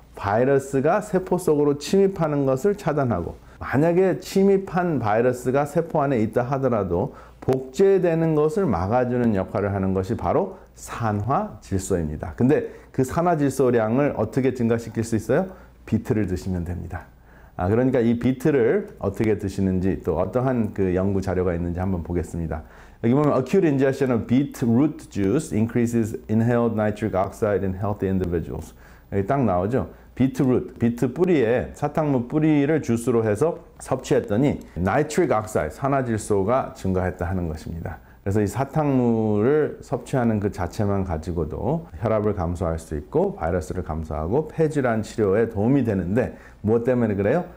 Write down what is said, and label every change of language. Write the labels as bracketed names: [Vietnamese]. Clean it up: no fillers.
[Korean] 바이러스가 세포 속으로 침입하는 것을 차단하고, 만약에 침입한 바이러스가 세포 안에 있다 하더라도 복제되는 것을 막아주는 역할을 하는 것이 바로 산화질소입니다. 근데 그 산화질소량을 어떻게 증가시킬 수 있어요? 비트를 드시면 됩니다. 그러니까 이 비트를 어떻게 드시는지 또 어떠한 그 연구 자료가 있는지 한번 보겠습니다. 여기 보면 [English] acute ingestion of beetroot juice increases inhaled nitric oxide in healthy individuals. [Korean] 여기 딱 나오죠. 비트 뿌리에 사탕무 뿌리를 주스로 해서 섭취했더니 nitric oxide 산화질소가 증가했다 하는 것입니다. 그래서 이 사탕무를 섭취하는 그 자체만 가지고도 혈압을 감소할 수 있고 바이러스를 감소하고 폐질환 치료에 도움이 되는데, 무엇 때문에 그래요?